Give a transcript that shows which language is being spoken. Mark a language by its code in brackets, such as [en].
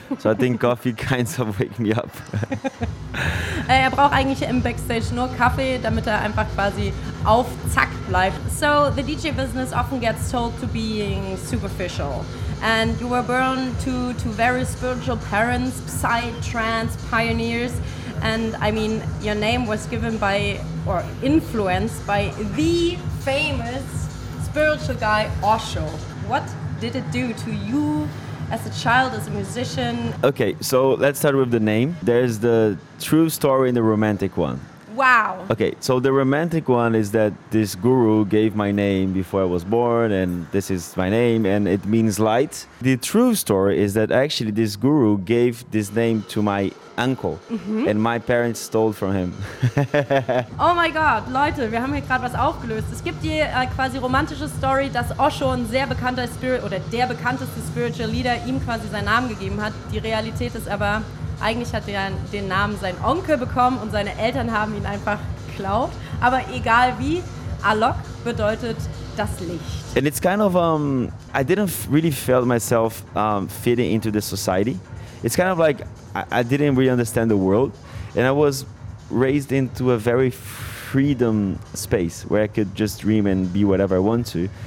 [en] So I think coffee kind of wake me up. [de] Er braucht eigentlich im Backstage nur Kaffee, damit er einfach quasi auf Zack bleibt. [en] So the DJ business often gets told to be superficial. And you were born to very spiritual parents, psy, trance, pioneers. And I mean, your name was given by or influenced by the famous spiritual guy Osho. What did it do to you as a child, as a musician? Okay, so let's start with the name. There's the true story and the romantic one. Wow. Okay, so the romantic one is that this guru gave my name before I was born, and this is my name, and it means light. The true story is that actually this guru gave this name to my uncle, mm-hmm. and my parents stole from him. [de] Oh my God, Leute, wir haben hier gerade was aufgelöst. Es gibt die quasi romantische Story, dass Osho, ein sehr bekannter Spirit, oder der bekannteste Spiritual Leader, ihm quasi seinen Namen gegeben hat. Die Realität ist aber, eigentlich hat er den Namen sein Onkel bekommen und seine Eltern haben ihn einfach geklaut. Aber egal wie, Alok bedeutet das Licht. [en] And it's kind of, I didn't really feel myself fitting into the society. It's kind of like I didn't really understand the world. And I was raised into a very freedom space where I could just dream and be whatever I want to.